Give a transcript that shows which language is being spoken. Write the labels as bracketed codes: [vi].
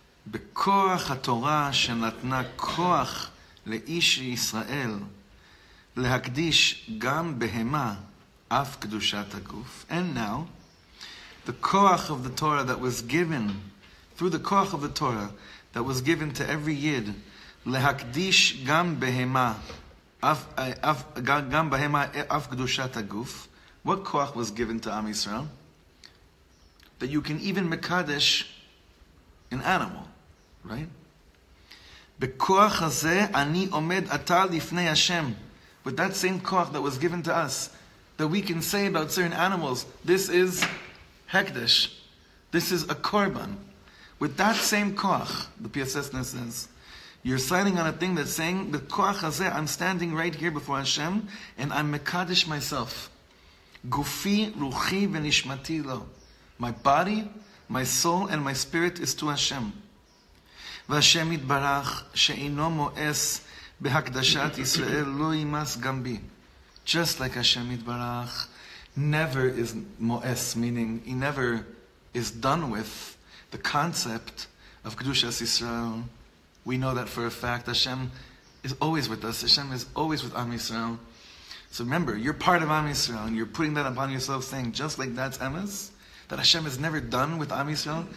[he] בכוח התורה שנתנה כוח לאיש ישראל להקדיש גם בהמה אף קדושת הגוף. [en] And now, the koach of the Torah that was given, through the koach of the Torah that was given to every yid, [he] להקדיש גם בהמה אף קדושת הגוף. [en] What koach was given to Am Yisrael? That you can even mekadesh an animal. Right? With that same koach that was given to us, that we can say about certain animals, this is hekdesh, this is a korban. With that same koach, the PSSness says, you're signing on a thing that's saying, koach hazeh, I'm standing right here before Hashem, and I'm mekadesh myself. [he] Gufi ruchi v'nishmati lo. [en] My body, my soul, and my spirit is to Hashem. [he] והשם יתברך שאינו מואס בהקדשת ישראל לא ימאס גם בי. [en] Just like Hashem יתברך never is מואס, meaning he never is done with the concept of קדושת ישראל. We know that for a fact. Hashem is always with us. Hashem is always with Am Yisrael. So remember, you're part of Am Yisrael, and you're putting that upon yourself, saying, just like that's emes, that Hashem is never done with Am Yisrael.